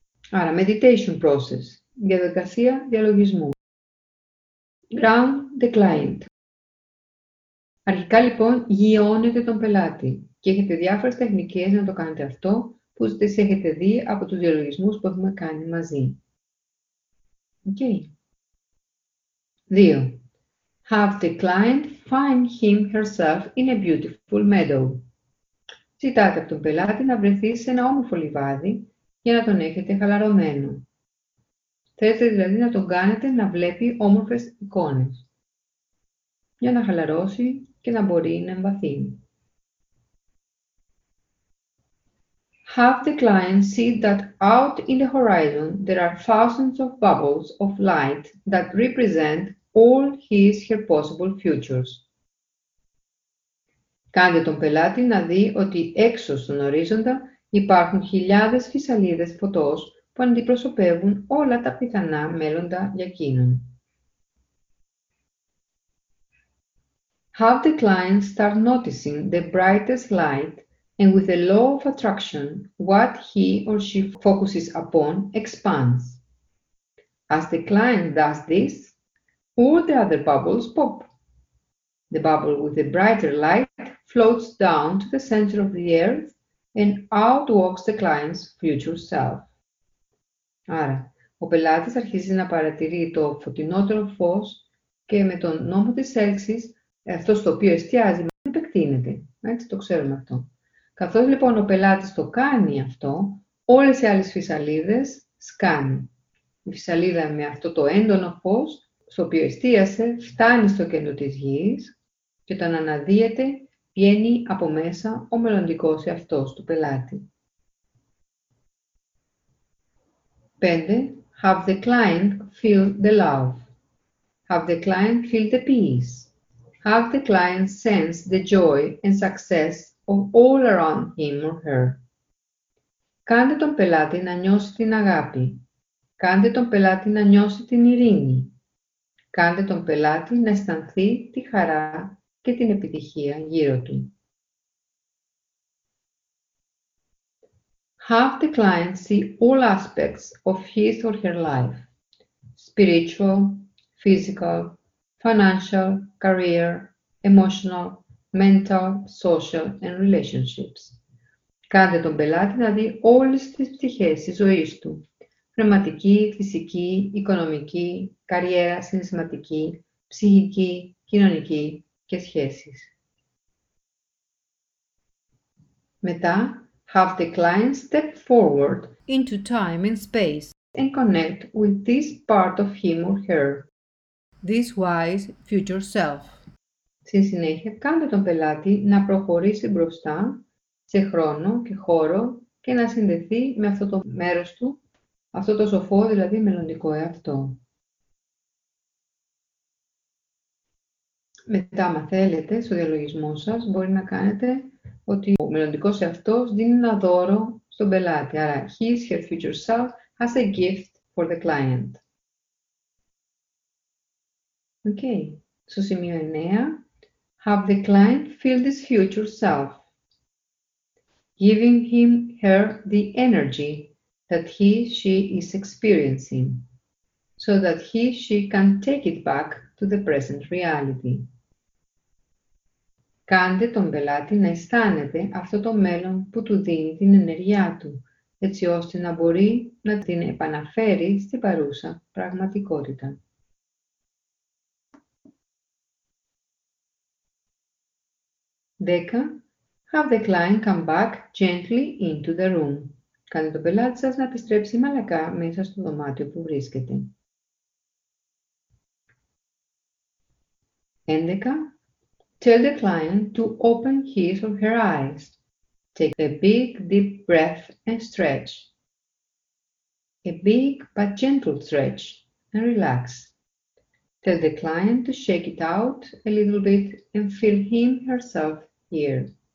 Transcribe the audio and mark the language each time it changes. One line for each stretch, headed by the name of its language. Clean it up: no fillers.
Greek: Άρα,
English: meditation process,
Greek: διαδικασία διαλογισμού.
English: Ground the client.
Greek: Αρχικά λοιπόν, γειώνετε τον πελάτη και έχετε διάφορες τεχνικές να το κάνετε αυτό, που τις έχετε δει από τους διαλογισμούς που έχουμε κάνει μαζί. Okay. 2.
English: Have the client find him herself in a beautiful meadow.
Greek: Ζητάτε από τον πελάτη να βρεθεί σε ένα όμορφο λιβάδι για να τον έχετε χαλαρωμένο. Θέλετε δηλαδή να τον κάνετε να βλέπει όμορφες εικόνες για να χαλαρώσει και να μπορεί να εμβαθύνει.
English: Have the client see that out in the horizon there are thousands of bubbles of light that represent all his her possible futures.
Greek: Κάντε τον πελάτη να δει ότι έξω στον ορίζοντα υπάρχουν χιλιάδες φυσαλίδες φωτός που αντιπροσωπεύουν όλα τα πιθανά μέλλοντα για εκείνον.
English: Have the client start noticing the brightest light and with the law of attraction, what he or she focuses upon expands. As the client does this, all the other bubbles pop. The bubble with the brighter light floats down to the center of the earth and out walks the client's future self.
Greek: Άρα, ο πελάτης αρχίζει να παρατηρεί το φωτεινότερο φως και με τον νόμο της έλξης, αυτός το οποίο εστιάζει, επεκτείνεται. Έτσι το ξέρουμε αυτό. Καθώς λοιπόν ο πελάτης το κάνει αυτό, όλες οι άλλες φυσαλίδες σκάνε. Η φυσαλίδα με αυτό το έντονο φως, στο οποίο εστίασε, φτάνει στο κέντρο της γης και όταν αναδύεται, βγαίνει από μέσα ο μελλοντικός εαυτός του πελάτη. 5.
English: Have the client feel the love. Have the client feel the peace. Have the client sense the joy and success of all around him or her.
Greek: Κάντε τον πελάτη να νιώσει την αγάπη. Κάντε τον πελάτη να νιώσει την ειρήνη. Κάντε τον πελάτη να αισθανθεί τη χαρά και την επιτυχία γύρω του.
English: Have the client see all aspects of his or her life. Spiritual, physical, financial, career, emotional, mental, social and relationships.
Greek: Κάντε τον πελάτη να δει όλες τις πτυχές της ζωής του. Πνευματική, φυσική, οικονομική, καριέρα, συναισθηματική, ψυχική, κοινωνική και σχέσεις. Μετά,
English: have the client step forward into time and space and connect with this part of him or her. This wise future self.
Greek: Στη συνέχεια, κάντε τον πελάτη να προχωρήσει μπροστά σε χρόνο και χώρο και να συνδεθεί με αυτό το μέρος του, αυτό το σοφό, δηλαδή μελλοντικό εαυτό. Μετά, αν θέλετε, στο διαλογισμό σας μπορεί να κάνετε ότι ο μελλοντικός εαυτός δίνει ένα δώρο στον πελάτη. Άρα,
English: his, her future self has a gift for the client. Okay,
Greek: στο σημείο 9,
English: have the client feel his future self, giving him her the energy that he she is experiencing, so that he she can take it back to the present reality.
Greek: Κάντε τον πελάτη να αισθάνεται αυτό το μέλλον που του δίνει την ενέργειά του, έτσι ώστε να μπορεί να την επαναφέρει στην παρούσα πραγματικότητα. Δέκα,
English: have the client come back gently into the room.
Greek: Κάντε τον πελάτη σας να επιστρέψει μαλακά μέσα στο δωμάτιο που βρίσκεται. Έντεκα,
English: tell the client to open his or her eyes. Take a big deep breath and stretch. A big but gentle stretch and relax. Tell the client to shake it out a little bit and feel him herself here.